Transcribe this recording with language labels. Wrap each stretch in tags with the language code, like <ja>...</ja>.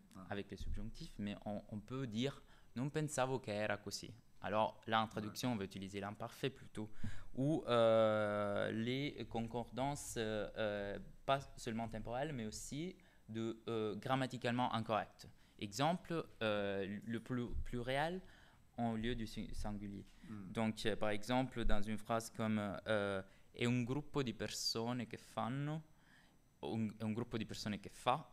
<fr>Avec les subjonctifs, mais on peut dire</fr> <it>non pensavo che era così.</it> <fr>Alors là, en traduction, on va utiliser l'imparfait plutôt. Ou les concordances. Pas seulement temporel, mais aussi de grammaticalement incorrect. Exemple, le pluriel en lieu du singulier. Donc, par exemple, dans une phrase comme</fr> <it>"è un gruppo di persone che fanno", un gruppo di persone che fa.</it>